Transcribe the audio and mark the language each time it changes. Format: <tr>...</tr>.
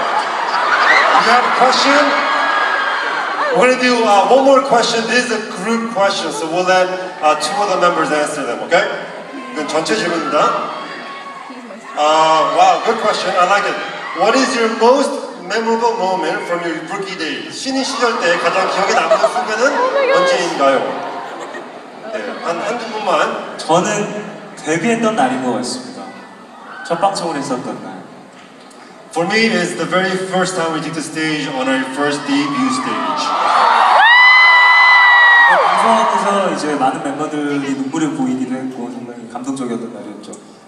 <en>You have a question? We're gonna do one more question. This is a group question, so we'll let two other members answer them, okay?</en> <ko>이건 전체 질문입니다.</ko> <en>Wow, good question. I like it. What is your most memorable moment from your rookie day?</en> <ko>신인 시절 때 가장 기억에 남는 순간은 oh 언제인가요? 네, 한두 분만. 저는 데뷔했던 날인 것 같습니다. 첫 방송을 했었던 날.</ko> <en>For me, it's the very first time we took the stage on our first debut stage.</en> <ko>방송하면서 이제 많은 멤버들이 눈물을 보이기를 했고 정말 감동적이었던 날이었죠.</ko>